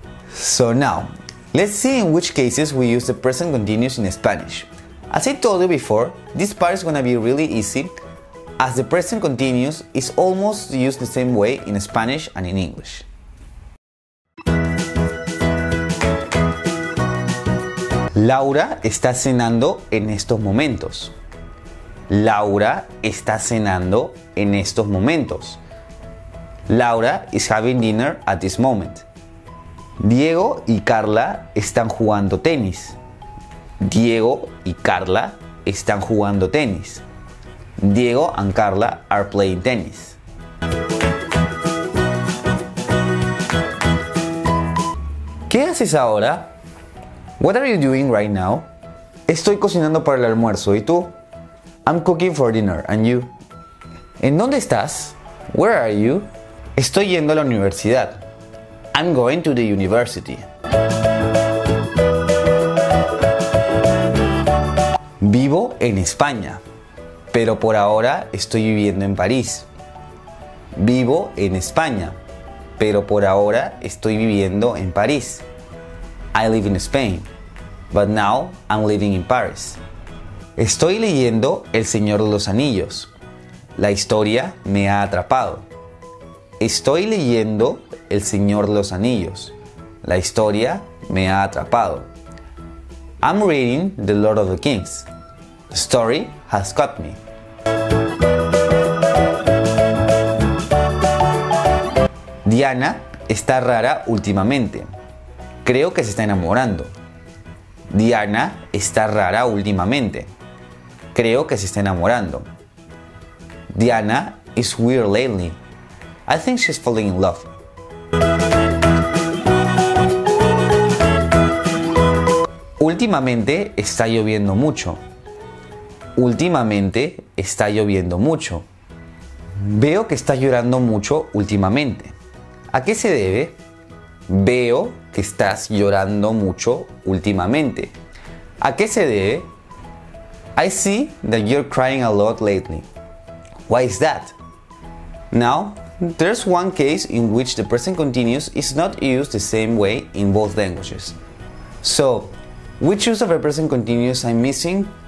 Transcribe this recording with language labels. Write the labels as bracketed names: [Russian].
[English] So now, let's see in which cases we use the present continuous in Spanish. As I told you before, this part is gonna be really easy as the present continuous is almost used the same way in Spanish and in English. [Spanish] Laura está cenando en estos momentos. Laura está cenando en estos momentos. [English] Laura is having dinner at this moment. [Spanish] Diego y Carla están jugando tenis. Diego y Carla están jugando tenis. [English] Diego and Carla are playing tennis. [Spanish] ¿Qué haces ahora? [English] What are you doing right now? [Spanish] Estoy cocinando para el almuerzo, ¿y tú? [English] I'm cooking for dinner, and you? [Spanish] ¿En dónde estás? [English] Where are you? [Spanish] Estoy yendo a la universidad. [English] I'm going to the university. [Spanish] Vivo en España, pero por ahora estoy viviendo en París. Vivo en España, pero por ahora estoy viviendo en París. [English] I live in Spain, but now I'm living in Paris. [Spanish] Estoy leyendo El Señor de los Anillos. La historia me ha atrapado. Estoy leyendo El Señor de los Anillos. La historia me ha atrapado. [English] I'm reading The Lord of the Rings. The story has caught me. [Spanish] Diana está rara últimamente. Creo que se está enamorando. Diana está rara últimamente. Creo que se está enamorando. [English] Diana is weird lately. I think she's falling in love. [Spanish] Últimamente está lloviendo mucho. Últimamente está lloviendo mucho. Veo que estás llorando mucho últimamente. ¿A qué se debe? Veo que estás llorando mucho últimamente. ¿A qué se debe? [English] I see that you're crying a lot lately. Why is that? Now, there's one case in which the present continuous is not used the same way in both languages. So, which use of the present continuous I'm missing?